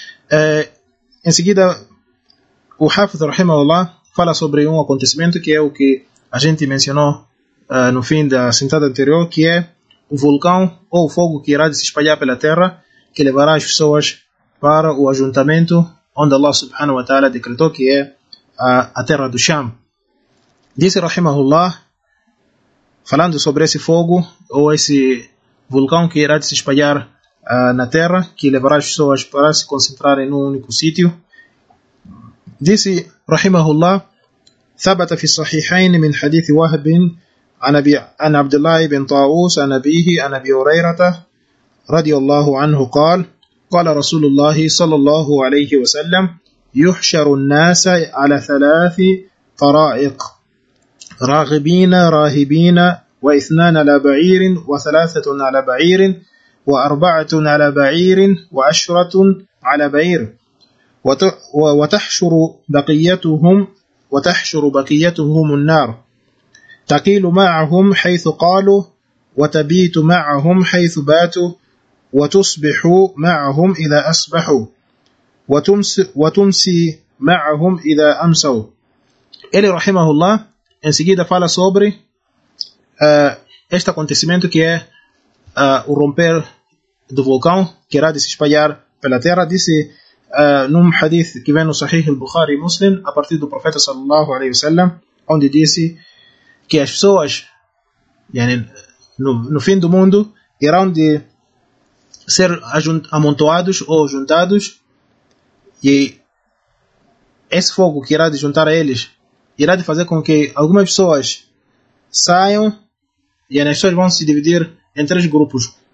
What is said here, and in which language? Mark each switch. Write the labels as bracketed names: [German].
[Portuguese] Em seguida, o Hafiz Rahimahullah fala sobre um acontecimento que é o que a gente mencionou no fim da sentada anterior, que é o vulcão ou o fogo que irá se espalhar pela terra, que levará as pessoas para o ajuntamento onde Allah subhanahu wa ta'ala decretou, que é a terra do Sham. Disse Rahimahullah, falando sobre esse fogo ou esse vulcão que irá se espalhar na terra, que levará as pessoas para se concentrarem num único sítio. Disse Rahimahullah, [Arabic] ثبت في الصحيحين من حديث وهب عن عبد الله بن طاووس عن أبيه عن أبي هريرة رضي الله عنه قال قال رسول الله صلى الله عليه وسلم يحشر الناس على ثلاث طرائق راغبين راهبين واثنان على بعير وثلاثة على بعير وأربعة على بعير وعشرة على بعير وتحشر بقيتهم النار تقيل معهم حيث قالوا وتبيت معهم حيث باتوا وتصبح معهم إذا أصبحوا وتمسي معهم إذا أمسوا. [Portuguese] Ele, rahimahullah, em seguida fala sobre este acontecimento que é o romper do vulcão que irá se espalhar pela terra. Disse num hadith que vem no Sahih al-Bukhari Muslim, a partir do profeta sallallahu alaihi wasallam, onde disse que as pessoas, yani, no fim do mundo, irão de ser amontoados ou juntados, e esse fogo que irá de juntar a eles irá de fazer com que algumas pessoas saiam, e as pessoas vão se dividir em três grupos.